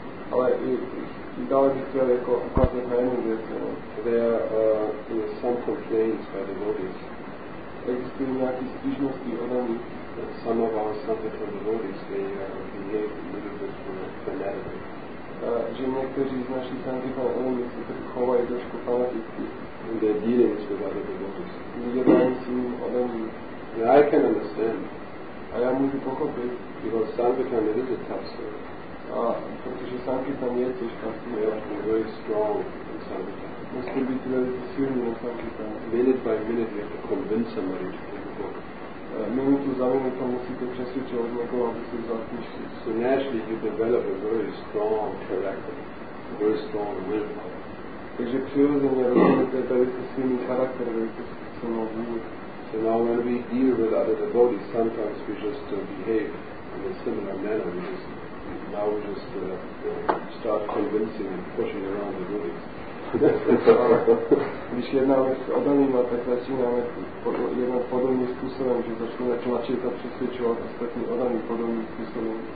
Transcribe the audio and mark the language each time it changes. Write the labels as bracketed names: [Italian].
[Czech] Ale i dále bych chtěl jako ukázat na jednu věc. [English] There are some complaints by devotees. [Czech] Existují nějaké stížnosti o tom, že [English] some of our Sankirtan devotees, they behave a little bit fanatically. [Czech] Že někteří z našich Sankirtan devotees se tak chovají trošku fanaticky. [English] In their dealings with other devotees. I can understand. [Czech] A já můžu pochopit. [English] Because Sankirtan is a tough service. [Czech] Protože Sankirtan je těžká služba. [English] You have to be very strong in Sankirtan. [Czech] Musí být velice silný na Sankirtan. [English] Minute by minute you have to convince somebody to take a book. [Czech] Minutu za minutu musíte přesvědčovat někoho, aby si vzal knižku. [English] So naturally you develop a very strong character, a very strong willpower. [Czech] Takže přirozeně rozumíte velice silný charakter, velice silnou vůli. [English] So now when we deal with other devotees, sometimes we just behave in a similar manner. We just start convincing and pushing around the devotees. [Czech] Když jednáme s odanýma, tak začínáme jednat podobným způsobem, že začneme tlačit a přesvědčovat ostatní odaný podobným způsobem.